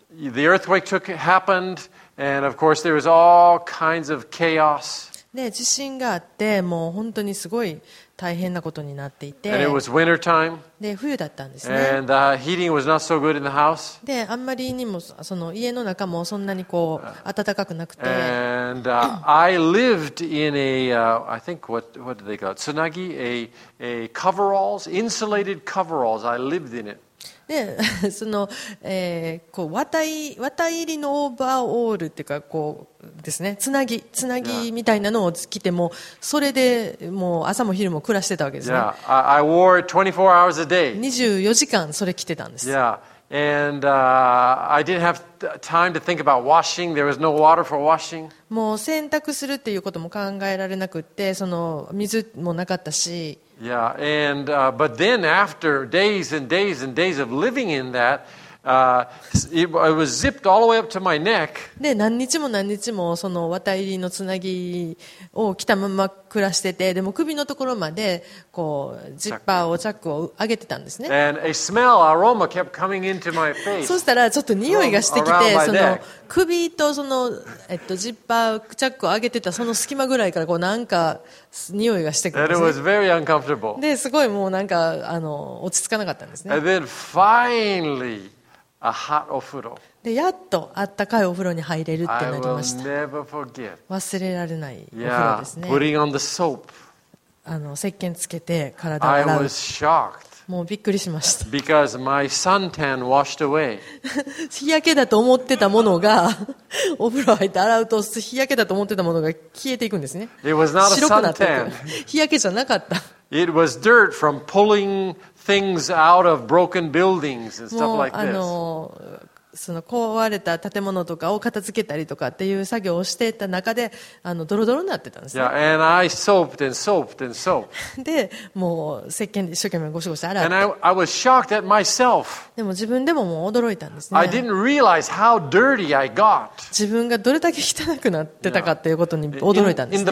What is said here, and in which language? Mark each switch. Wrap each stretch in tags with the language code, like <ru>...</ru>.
<en>The earthquake happened, and of course there was all kinds of chaos.</en> <ja>で、地震があってもう本当にすごい大変なことになっていて。</ja> <en>And it was winter time.</en> <ja>で、冬だったんですね。</ja> <en>And the heating was not so good in the house.</en> <ja>で、あんまりにもその家の中もそんなにこう暖かくなくて。</ja> <en>And I lived in I think what did they call it? Tsunagi, a coveralls, insulated coveralls. I lived in it.</en> <ja>でその、こう綿入りのオーバーオールっていうかこうですね、つなぎみたいなのを着てもそれでもう朝も昼も暮らしてたわけですね。</ja> <en>I wore 24 hours a day.</en> <ja>24時間それ着てたんです。</ja> <en>And I didn't have time to think about washing. There was no water for washing.</en> <ja>もう洗濯するっていうことも考えられなくて、その水もなかったし。</ja> <en>Yeah, and but then after days and days and days of living in that, it was zipped all the way up to my neck.</en> <ja>で、何日も何日もその綿入りのつなぎを着たまま暮らしてて、でも首のところまでこうジッパーをチャックを上げてたんですね。</ja> <en>And a smell, aroma kept coming into my face.</en> <ja>そしたらちょっと匂いがしてきて、その首とそのジッパーチャックを上げてたその隙間ぐらいからこうなんか匂いがしてくるんですね。</ja> <en>It was very uncomfortable.</en> <ja>で、すごいもうなんか落ち着かなかったんですね。</ja> <en>And then finally, a hot お風呂。</en> <ja>で、やっとあったかいお風呂に入れるってなりました。</ja> <en>I will never forget.</en> <ja>忘れられないお風呂ですね。</ja> <en>Yeah, putting on the soap.</en> <ja>石鹸つけて体を洗う。</ja> <en>I was shocked.</en> <ja>もうびっくりしました。</ja> <en>Because my suntan washed away.</en> <ja>日焼けだと思ってたものがお風呂入って洗うと日焼けだと思ってたものが消えていくんですね。</ja> <en>It was not a</en> <ja>白くなってい</ja> <en>く suntan.</en> <ja>日焼けじゃなかった。</ja> <en>It was dirt from pulling things out of broken buildings and stuff like this.</en> <ja>その壊れた建物とかを片付けたりとかっていう作業をしていた中で、あのドロドロになってたんですね。</ja> <en>Yeah, and I soaped and soaped and soaped.</en> <ja>で、もう石鹸で一生懸命ゴシゴシ洗って。</ja> <en>And I was shocked at myself.</en> <ja>でも自分でももう驚いたんですね。</ja> <en>I didn't realize how dirty I got.</en> <ja>自分がどれだけ汚くなってたかっていうことに驚いたんですね。</ja>